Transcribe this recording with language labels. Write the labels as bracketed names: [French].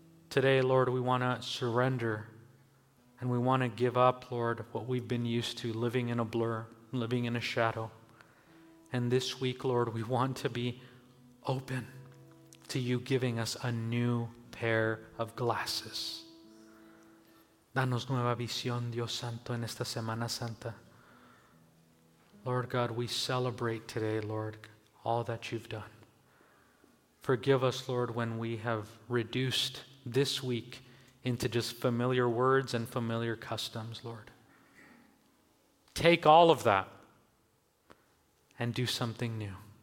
[English] Today, Lord, we want to surrender and we want to give up, Lord, what we've been used to, living in a blur, living in a shadow. And this week, Lord, we want to be open to you giving us a new pair of glasses. [Spanish] Danos nueva visión, Dios Santo, en esta Semana Santa. [English] Lord God, we celebrate today, Lord, all that you've done. Forgive us, Lord, when we have reduced this week into just familiar words and familiar customs, Lord. Take all of that and do something new.